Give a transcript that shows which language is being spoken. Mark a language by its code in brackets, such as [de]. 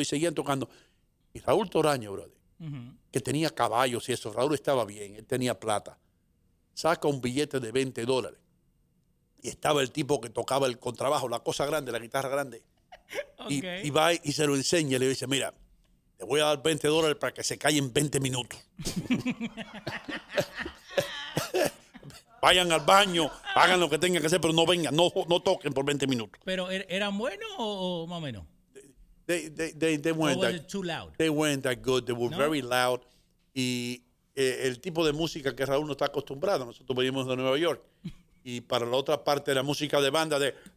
[es] Y Raúl Toraño, brother, que tenía caballos y eso, Raúl estaba bien, él tenía plata, saca un billete de $20 y estaba el tipo que tocaba el contrabajo, la cosa grande, la guitarra grande, okay. Y va y se lo enseña y le dice, mira, le voy a dar $20 para que se calle en 20 minutos. Vayan al baño, hagan lo que tengan que hacer, pero no vengan, no toquen por 20 minutos. ¿Pero eran buenos o más o menos? [en] They weren't that good, they were very loud. [es] Y el tipo de música que Raúl no está acostumbrado, nosotros venimos de Nueva York, y para la otra parte era música de banda de...